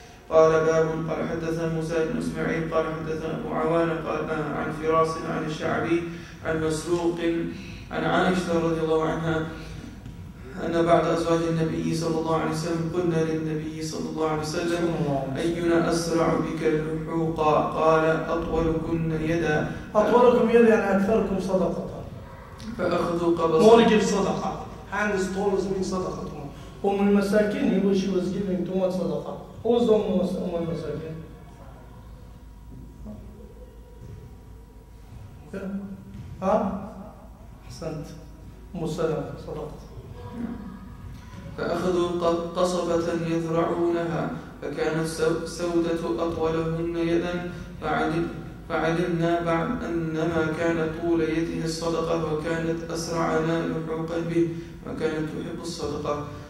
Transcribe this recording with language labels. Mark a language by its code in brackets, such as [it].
[ar] قال باب قال حدثنا موسى بن إسماعيل قال حدثنا أبو عوانة قال عن فراس عن الشعبي عن مسروق عن عائشة رضي الله عنها أن بعد أزواج النبي صلى الله عليه وسلم قلنا للنبي صلى الله عليه وسلم أينا أسرع بك اللحوقا؟ قال أطولكن يدا. أطولكم يدا يعني أكثركم صدقة. فأخذوا قبضة. [en] More give صدقة. Hand is tallest means صدقة. [ar] أم المساكين هي [en] she was giving too much صدقة. Who's the [ar] أم المساكين؟ ها؟ أحسنت. أم السلمة صدقة. فأخذوا قصبة يذرعونها فكانت سودة أطولهن يدا فعلمنا بعد أنما كان طول يده الصدقة وكانت أسرعنا لحوقا به وكانت تحب الصدقة.